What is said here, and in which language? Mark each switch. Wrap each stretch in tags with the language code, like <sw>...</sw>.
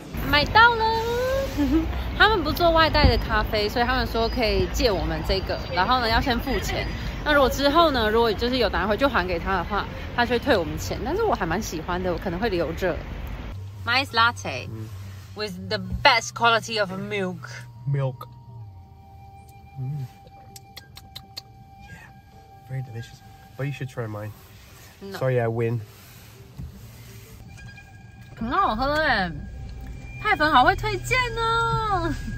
<zh>买到了，他们不做外带的咖啡，所以他们说可以借我们这个，然后呢要先付钱。那如果之后呢，如果就是有拿回去还给他的话，他就会退我们钱。但是我还蛮喜欢的，我可能会留着。</zh> <en>Nice latte with the best quality of milk. Milk. Yeah, very delicious. But you should try mine. No. Sorry, I win.</en> <zh>很好喝耶，派粉好会推荐呢。</zh>